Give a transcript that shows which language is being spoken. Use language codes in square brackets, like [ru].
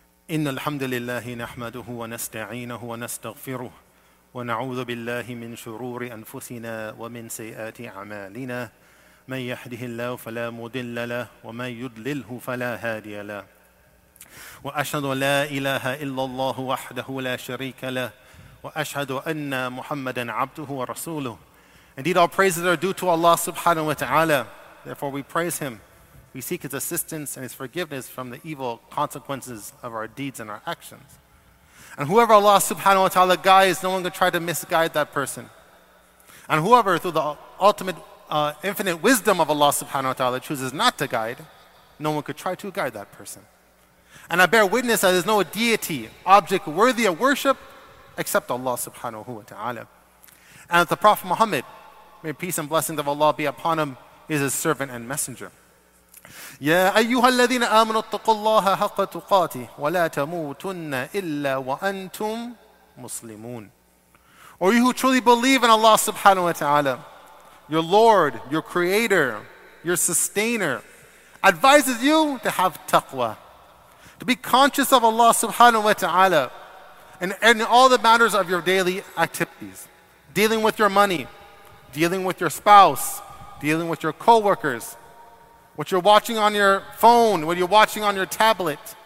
[ar] إن الحمد لله نحمده ونستعينه ونستغفره ونعوذ بالله من شرور أنفسنا ومن سيئات أعمالنا. من يهده الله فلا مضل له ومن يضلله فلا هادي له. وأشهد لا إله إلا الله وحده لا شريك له وأشهد أن محمدا عبده ورسوله. [en] Indeed, all praises are due to Allah subhanahu wa ta'ala. Therefore, we praise Him. We seek His assistance and His forgiveness from the evil consequences of our deeds and our actions. And whoever Allah subhanahu wa ta'ala guides, no one can try to misguide that person. And whoever, through the ultimate, infinite wisdom of Allah subhanahu wa ta'ala, chooses not to guide, no one could try to guide that person. And I bear witness that there's no deity, object worthy of worship, except Allah subhanahu wa ta'ala. And that the Prophet Muhammad, may peace and blessings of Allah be upon him, is His servant and messenger. [ar] يا أيها الذين آمنوا اتقوا الله حق تقاته ولا تموتن إلا وأنتم مسلمون. [en] Or you who truly believe in Allah subhanahu wa ta'ala, your Lord, your Creator, your Sustainer, advises you to have taqwa, to be conscious of Allah subhanahu wa ta'ala in all the matters of your daily activities, dealing with your money, dealing with your spouse, dealing with your coworkers, what you're watching on your phone, what you're watching on your tablet.